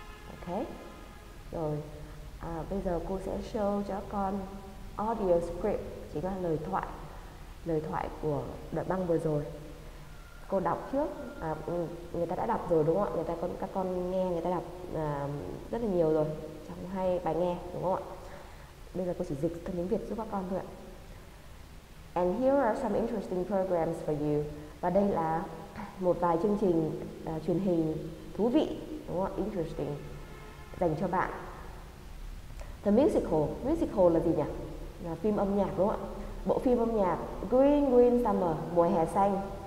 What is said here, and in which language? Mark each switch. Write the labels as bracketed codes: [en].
[vi] Ok, rồi. Bây giờ cô sẽ show cho các con audio script, chính là lời thoại. Lời thoại của đoạn băng vừa rồi. Cô đọc trước, người ta đã đọc rồi đúng không ạ? Người ta con các con nghe người ta đọc rất là nhiều rồi trong hai bài nghe đúng không ạ? Bây giờ cô chỉ dịch thân tiếng Việt giúp các con thôi ạ. [en] And here are some interesting programs for you. [vi] Và đây là một vài chương trình truyền hình thú vị đúng không ạ? Interesting dành cho bạn. The musical, musical là gì nhỉ? Là phim âm nhạc đúng không ạ? Bộ phim âm nhạc Green Green Summer, mùa hè xanh.